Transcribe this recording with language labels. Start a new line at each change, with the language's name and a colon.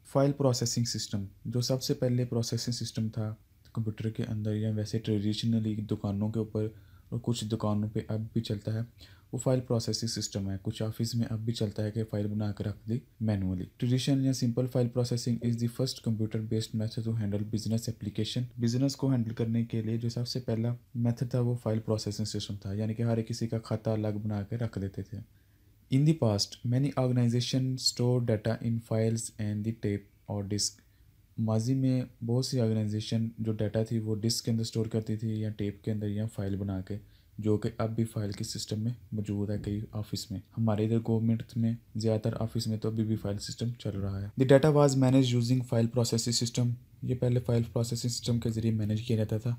Urdu: File processing system, جو سب سے پہلے پروسیسنگ سسٹم تھا کمپیوٹر کے اندر, یا ویسے ٹریڈیشنلی دکانوں کے اوپر اور کچھ دکانوں پہ اب بھی چلتا ہے, وہ فائل پروسیسنگ سسٹم ہے. کچھ آفس میں اب بھی چلتا ہے کہ فائل بنا کر رکھ دی مینولی.
English: Traditional یا simple file processing is the first computer based method to handle business application.
Urdu: Business کو ہینڈل کرنے کے لیے جو سب سے پہلا میتھڈ تھا وہ فائل پروسیسنگ سسٹم تھا, یعنی کہ ہر کسی کا کھاتہ الگ بنا کے رکھ دیتے تھے.
English: In the past, many organizations store data in files and the tape or disk.
Urdu: ماضی میں بہت سی آرگنائزیشن جو ڈیٹا تھی وہ ڈسک کے اندر اسٹور کرتی تھی, یا ٹیپ کے اندر, یا فائل بنا کے, جو کہ اب بھی فائل کے سسٹم میں موجود ہے کئی آفس میں. ہمارے ادھر گورنمنٹ میں زیادہ تر آفس میں تو ابھی بھی فائل سسٹم چل رہا ہے.
English: The data was manage using file processing system.
Urdu: یہ پہلے فائل پروسیسنگ سسٹم کے ذریعے مینیج کیا جاتا تھا.